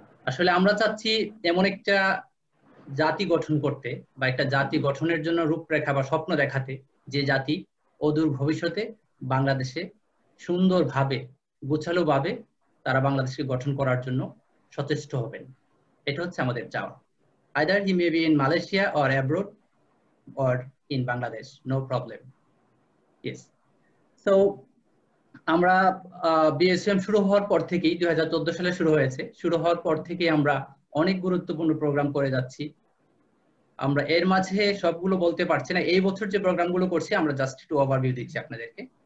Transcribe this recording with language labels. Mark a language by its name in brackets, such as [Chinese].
[Bangla] আসলে আমরা চাচ্ছি এমন একটা জাতি গঠন করতে বা একটা জাতি গঠনের জন্য রূপরেখা বা স্বপ্ন দেখাতে, যে জাতি অদূর ভবিষ্যতে বাংলাদেশে সুন্দরভাবে গোছালোভাবে তারা বাংলাদেশকে গঠন করার জন্য সচেষ্ট হবেন, এটা হচ্ছে আমাদের চাওয়া। [English] Either he may be in Malaysia or abroad or in Bangladesh, no problem. Yes. [Bangla] So, আমরা BSUM শুরু হওয়ার পর থেকেই, 2014 সালে শুরু হয়েছে, শুরু হওয়ার পর থেকেই আমরা অনেক গুরুত্বপূর্ণ প্রোগ্রাম করে যাচ্ছি। আমরা এর মাঝে সবগুলো বলতে পারছি না, এই বছর যে প্রোগ্রামগুলো করছি আমরা জাস্ট একটু ওভারভিউ দিচ্ছি আপনাদেরকে।